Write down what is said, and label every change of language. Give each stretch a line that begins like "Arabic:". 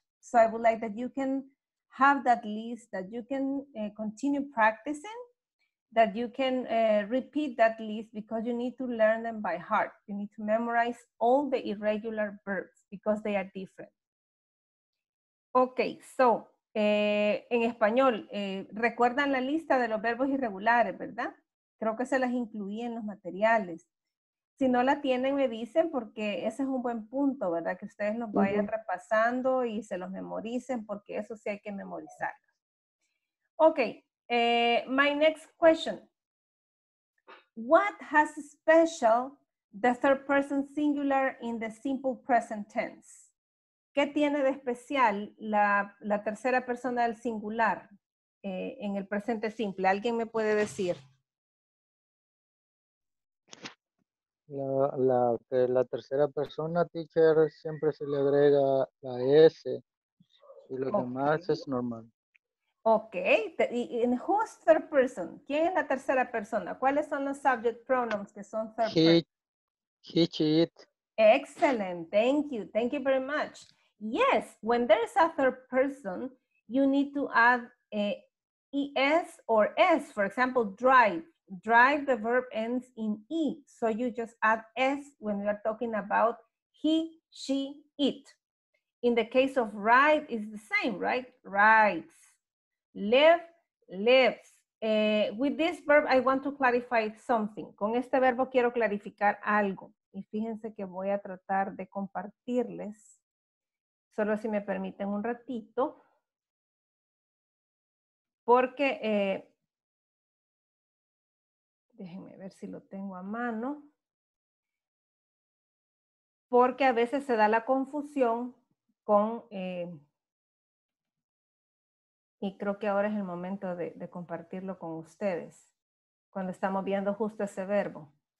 English: So I would like that you can have that list, that you can continue practicing, that you can repeat that list, because you need to learn them by heart. You need to memorize all the irregular verbs because they are different. Okay, so.
Spanish: En español, recuerdan la lista de los verbos irregulares, ¿verdad? Creo que se las incluí en los materiales. Si no la tienen, me dicen, porque ese es un buen punto, ¿verdad? Que ustedes los vayan repasando y se los memoricen, porque eso sí hay que memorizarlos.
English: Ok, my next question. What has special the third person singular in the simple present tense?
Spanish: ¿Qué tiene de especial la tercera persona del singular en el presente simple? ¿Alguien me puede decir? La tercera persona, teacher, siempre se le agrega la S y lo demás es normal. Ok. ¿En
English: who's third person?
Spanish: ¿Quién es la tercera persona? ¿Cuáles son los
English: subject pronouns
Spanish: que son
English: third person? He, it. Excellent. Thank you. Thank you very much. Yes, when there's a third person, you need to add ES or S. For example, drive. Drive, the verb ends in E. So you just add S when we are talking about he, she, it. In the case of ride, it's the same, right? Rides. Live, lives. With this verb, I want to clarify something.
Spanish: Con este verbo quiero clarificar algo. Y fíjense que voy a tratar de compartirles. Solo si me permiten un ratito, porque déjenme ver si lo tengo a mano, porque a veces se da la confusión con, y creo que ahora es el momento de compartirlo con ustedes, cuando estamos viendo justo ese verbo.